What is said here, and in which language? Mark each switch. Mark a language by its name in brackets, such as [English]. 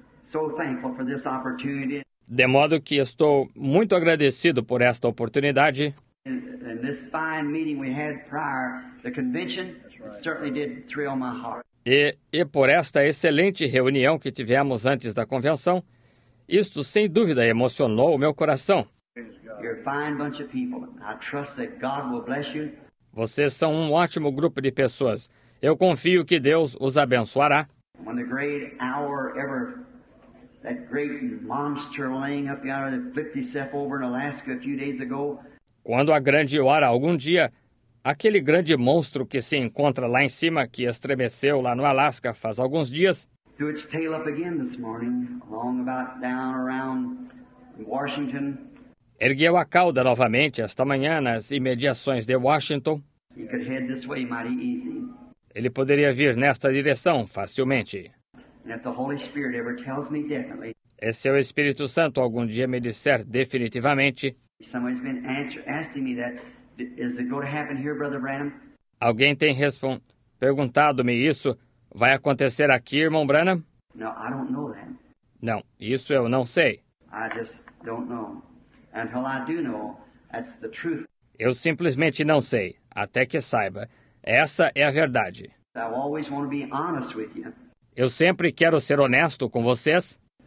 [English] So thankful for this opportunity. [Portuguese] De modo que estou muito agradecido por esta oportunidade. [English] And this fine meeting we had prior, the convention, right. Certainly did thrill my heart. [Portuguese] E por esta excelente reunião que tivemos antes da convenção, isto sem dúvida emocionou o meu coração. [English] You're a fine bunch of people. I trust that God will bless you. [Portuguese] Vocês são um ótimo grupo de pessoas. Eu confio que Deus os abençoará. [English] When the great hour ever, that great monster laying up yonder that flipped itself over in Alaska a few days ago. [Portuguese] Quando a grande hora algum dia, aquele grande monstro que se encontra lá em cima, que estremeceu lá no Alaska faz alguns dias. [English] Threw its tail up again this morning, along about down around Washington. [Portuguese] ergueu a cauda novamente esta manhã nas imediações de Washington. [English] He could head this way mighty easy. [Portuguese] Ele poderia vir nesta direção facilmente. [English] And if the Holy Spirit ever tells me definitely, [Portuguese] e se o Espírito Santo algum dia me disser definitivamente, [English] somebody's been asking me that, is it going to happen here, Brother Branham? [Portuguese] Alguém tem perguntado-me isso, vai acontecer aqui, irmão Branham? [English] No, I don't know that. [Portuguese] Não, isso eu não sei. [English] I just don't know. Until I do know, that's the truth. [Portuguese] Eu simplesmente não sei, até que saiba. Essa é a verdade. [English] I always want to be honest with you. [Portuguese] Eu sempre quero ser honesto com vocês.